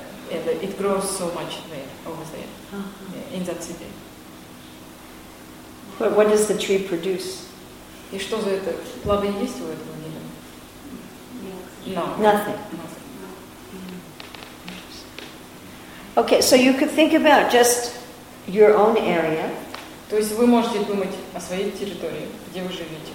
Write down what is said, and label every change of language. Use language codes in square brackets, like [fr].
[en] It grows so much there, over there, in that city. But what does the tree produce? [ru] И что за это? Плоды есть у этого дерева? Нет. [en] Nothing. Okay, so you could think about just your own area. [ru] То есть вы можете думать о своей территории, где вы живете.